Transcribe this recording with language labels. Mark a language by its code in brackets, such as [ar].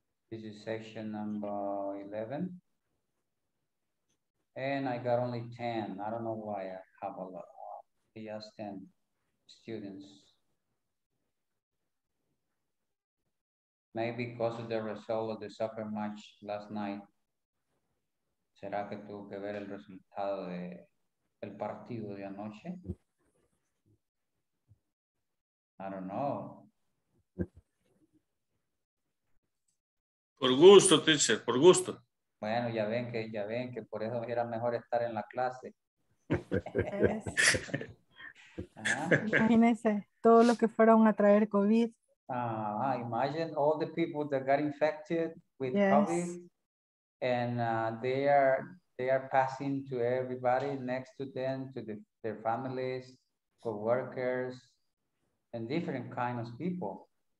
[en] This is session number 11. And I got only 10. I don't know why I have a lot of just 10 students. Maybe because of the result of the soccer match last night. [es] ¿Será que tuvo que ver el resultado de el partido de anoche? [en] I don't know. [es] Por gusto, teacher, por gusto. Bueno, ya ven que por eso era mejor estar en la clase. Imagínense todo lo que fueron a traer COVID. [en] Imagine all the people that got infected with COVID and they are passing to everybody next to them, to the, their families, co-workers, and different kinds of people.